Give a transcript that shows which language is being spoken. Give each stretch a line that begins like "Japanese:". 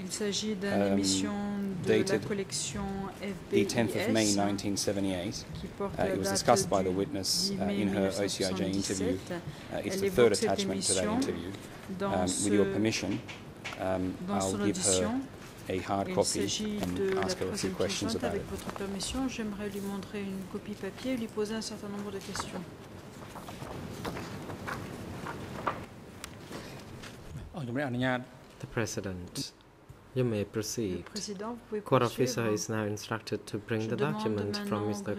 French: Il s'agit d'une émission de la collection FBIS,
English: the 10th of May 1978. It was discussed by the witness in her OCIJ interview. It's the third attachment to that interview. With your permission, I'll give her a hard copy and ask her a few questions about it.
French: Avec votre permission, j'aimerais lui montrer une copie papier et lui poser un certain nombre de questions.
English: The President, you may proceed.
French: Le président, vous pouvez
English: court officer is now instructed to bring the document from Mr.